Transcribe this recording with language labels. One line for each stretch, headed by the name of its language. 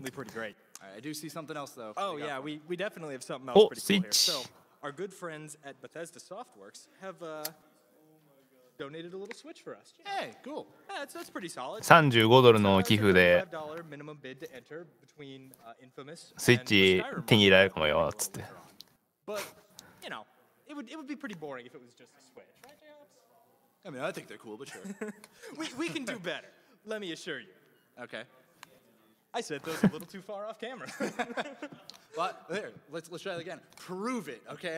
English: Pretty great. I do see something else though. Oh yeah, we definitely have something else pretty cool here. So, our good friends at Bethesda Softworks have donated a little Switch for us. Hey, cool. Yeah, that's pretty solid.
Japanese: $35の寄付で。
English: $5 minimum bid to enter between Infamous and Skyrim.
Japanese: スイッチ手に入れるかもよっつって。
English: But, you know, it would be pretty boring if it was just a Switch, right, James? I mean, I think they're cool, but sure. we can do better. Let me assure you. Okay. I said those a little too far off camera. But there, let's try it again. Prove it, okay?